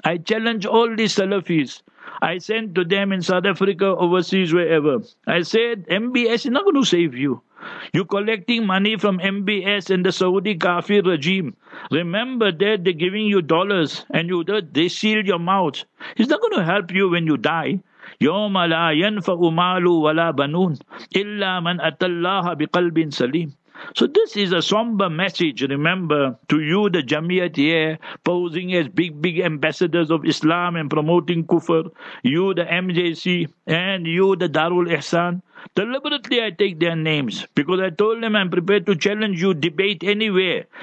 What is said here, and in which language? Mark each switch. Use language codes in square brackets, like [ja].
[en] I challenge all these Salafis. I sent to them in South Africa, overseas, wherever. I said, MBS is not going to save you. You're collecting money from MBS and the Saudi Kafir regime. Remember that they're giving you dollars and you, they seal your mouth. It's not going to help you when you die. [ar] يوم لا ينفع مال ولا بنون إلا من أتى الله بقلب سليم. [en] So this is a somber message, remember, to you, the Jamiat here, posing as big ambassadors of Islam and promoting kufr, you, the MJC, and you, the Darul Ihsan. Deliberately, I take their names, because I told them I'm prepared to challenge you, debate anywhere.